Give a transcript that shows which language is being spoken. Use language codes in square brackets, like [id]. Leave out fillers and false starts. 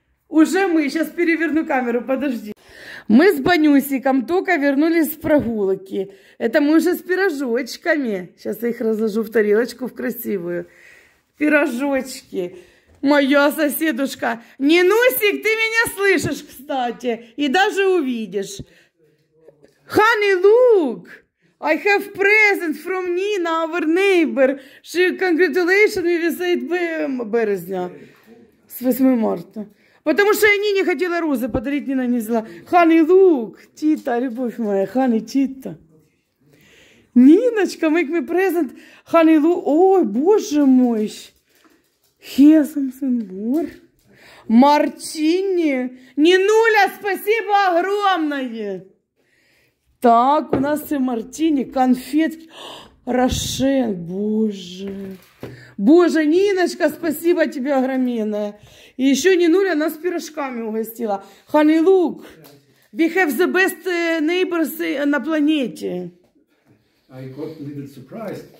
[ru] Уже мы, сейчас переверну камеру, подожди. Мы с Банюсиком только вернулись с прогулки. Это мы уже с пирожочками. Сейчас я их разложу в тарелочку в красивую. Пирожочки. Моя соседушка. Нинусик, ты меня слышишь, кстати. И даже увидишь. [en] Honey, look. I have present from Nina, our neighbor. She congratulations with 8 березня. [ru] С 8 марта. Потому что я Нине хотела розы подарить, Нина не взяла. [en] Honey, look. Тита, [ru] любовь моя. [en] Honey, Тита. Ниночка, make me present. Honey, look. [ru] Ой, боже мой. Хесамс инбор. Мартини. Нинуля, спасибо огромное. Так, у нас и мартини, конфетки. Рошен, боже. Боже, Ниночка, спасибо тебе огромное. И еще Нинуля нас пирожками угостила. [en] Honey, look. We have the best neighbors [ru] на планете. [en] I got a little surprised.